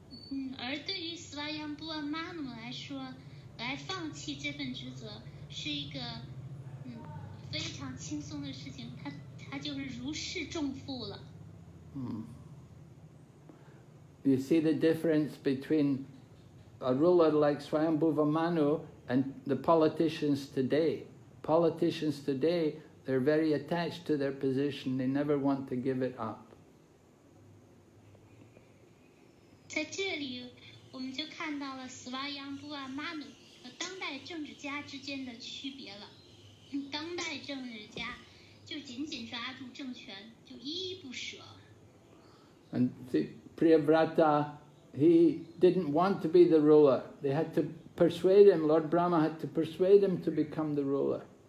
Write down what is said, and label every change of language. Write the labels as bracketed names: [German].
[English] You see the difference between a ruler like Svayambhuva Manu and the politicians today. Politicians today, they're very attached to their position. They never want to give it up. [Chinese] 在这里我们就看到了斯瓦扬布瓦曼努和当代政治家之间的区别了。当代政治家就紧紧抓住政权，就依依不舍。 [English] And Priyavrata, he didn't want to be the ruler. They had to persuade him. Lord Brahma had to persuade him to become the ruler.